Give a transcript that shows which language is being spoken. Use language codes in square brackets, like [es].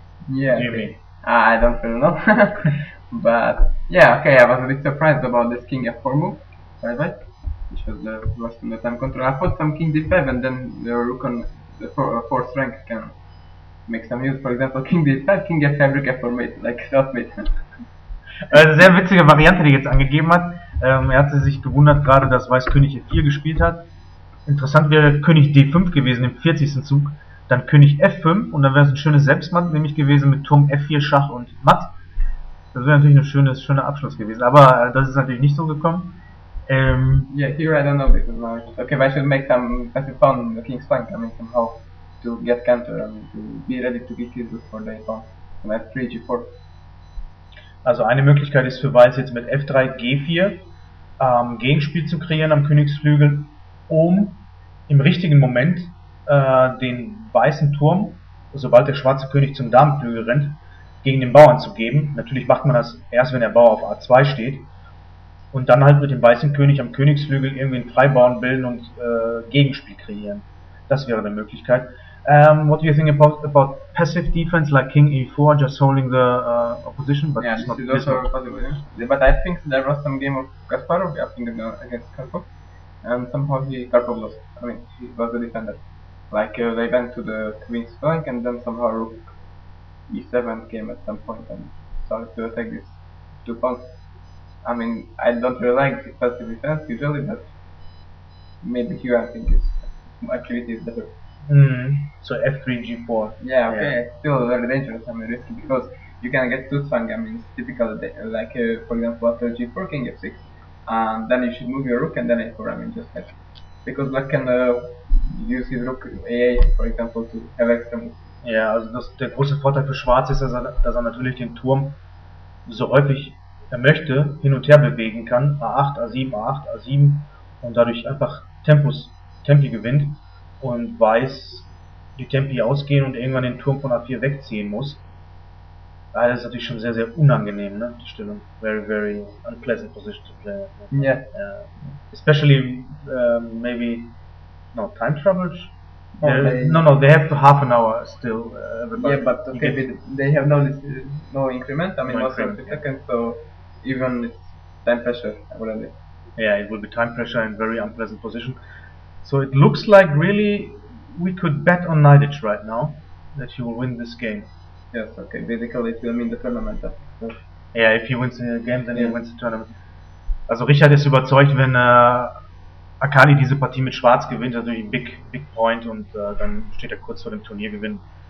[en] Yeah, okay. I don't really know. But, yeah, okay, I was a bit surprised about this king f4 move, by the way, which was the last in the time control. I thought some king d5 and then the rook on the 4th rank can make some use. For example, king d5, king f5, rook f4 mate, like self-mate. [de] Eine sehr witzige Variante, die jetzt angegeben hat. Er hatte sich gewundert, gerade dass Weiß König f4 gespielt hat. Interessant wäre König d5 gewesen im 40. Zug, dann König f5 und dann wäre es ein schönes Selbstmatt nämlich gewesen mit Turm f4 Schach und Matt. Das wäre natürlich ein schöner Abschluss gewesen, aber das ist natürlich nicht so gekommen. [en] Yeah, here I don't know because now okay, I should make some passive pawn in the king's flank, I mean somehow to get counter and to be ready to be killed for the pawn. f3 g4. [de] Also eine Möglichkeit ist für Weiß jetzt mit f3 g4 Gegenspiel zu kreieren am Königsflügel, um im richtigen Moment den weißen Turm, sobald der schwarze König zum Damenflügel rennt, gegen den Bauern zu geben. Natürlich macht man das erst, wenn der Bauer auf A2 steht. Und dann halt mit dem weißen König am Königsflügel irgendwie einen Freibauern bilden und Gegenspiel kreieren. Das wäre eine Möglichkeit. [en] What do you think about passive defense like King e4, just holding the opposition? But yeah, this is also possible. Yeah. But I think there was some game of Kasparov, I think against Karpov, and somehow Karpov lost. I mean, he was the defender. Like they went to the queen's flank, and then somehow rook e7 came at some point and started to attack these two pawns. I mean, I don't really like passive defense usually, but maybe here I think it's actually it is better. So f3 g4. Yeah, okay, yeah. It's still very dangerous, I mean, risky, because you can get too strong. I mean, it's typical, like, for example, after g4, king f6, and then you should move your rook and then a4, I mean, just like, because black can use his rook a8, for example, to have extra moves. [de] Yeah, also das, der große Vorteil für Schwarz ist, dass er natürlich den Turm so häufig er möchte hin und her bewegen kann, a8, a7, a8, a7, und dadurch einfach Tempi gewinnt. Und Weiß die Tempi ausgehen und irgendwann den Turm von A4 wegziehen muss. Ja, das ist natürlich schon sehr, sehr unangenehm, ne? Die Stellung. [en] Very, very unpleasant position to play. Yeah. Yeah. Especially, maybe, no, time trouble? Okay. No, they have to half an hour still. Yeah, but okay, but they have no increment, I mean, no 30 seconds, so even time pressure, whatever. Yeah, it will be time pressure and very unpleasant position. So it looks like really we could bet on Nidic right now that he will win this game. Yes, okay. Basically it will mean the tournament. So. Yeah, if he wins the game, then yeah. He wins the tournament. [de] Also Richard ist überzeugt, wenn Akali diese Partie mit Schwarz gewinnt, natürlich ein [en] big point [de] und dann steht er kurz vor dem Turniergewinn.